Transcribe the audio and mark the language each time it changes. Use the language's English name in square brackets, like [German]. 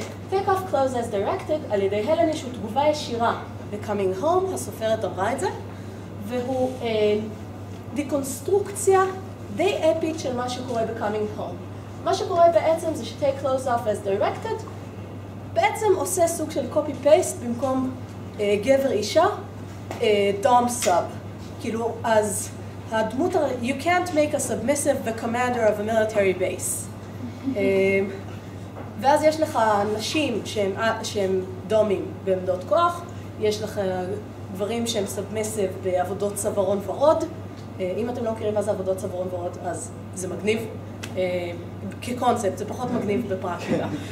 [Hebrew] take off clothes as directed על ידי הלן ישו תגובה ישירה בקאמינג הום, הסופרת אמרה את זה, והוא דיקונסטרוקציה די אפית של מה שקורה בקאמינג הום. מה שקורה בעצם זה ש-take clothes off as directed בעצם עושה סוג של copy-paste במקום גבר אישה, דום סאב. כאילו, אז הדמות הר... [English] you can't make a submissive the commander of a military base. [Hebrew] ואז יש לך נשים שהם דומים בעמדות כוח, יש לך גברים שהם סאבמיסיב בעבודות צווארון ורוד. אם אתם לא מכירים מה זה עבודות צווארון ורוד, אז זה מגניב. כקונספט, זה פחות מגניב בפרקטיקה.